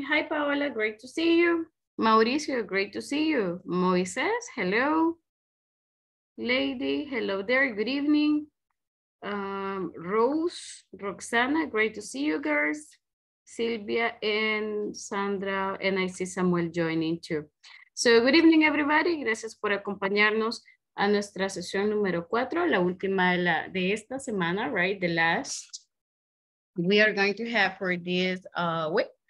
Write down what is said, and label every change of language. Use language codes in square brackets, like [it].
[en] Hi, Paola, great to see you. Mauricio, great to see you. Moises, hello. Lady, hello there, good evening. Rose, Roxana, great to see you, girls. Silvia and Sandra, and I see Samuel joining too. So good evening, everybody. [es] Gracias por acompañarnos a nuestra sesión número 4, la última de esta semana, right? [en] The last we are going to have for this week.